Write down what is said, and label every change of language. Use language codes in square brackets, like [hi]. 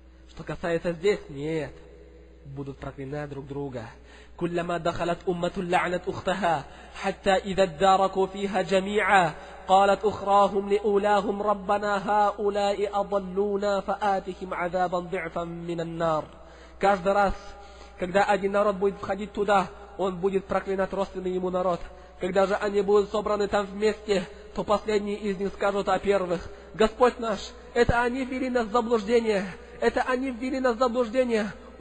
[ru] Что касается здесь, нет. Будут проклинать друг друга. [ar] كلما دخلت أمة لعنت أختها حتى إذا اداركوا فيها جميعا قالت أخراهم لأولاهم ربنا هؤلاء أضلونا فآتهم عذابا ضعفا من النار. [ru] Каждый раз, когда один народ будет входить туда, он будет проклинать родственный ему народ. Когда же они будут собраны там вместе, то последние из них скажут о первых: Господь наш, это они ввели нас в заблуждение, это они ввели нас в заблуждение.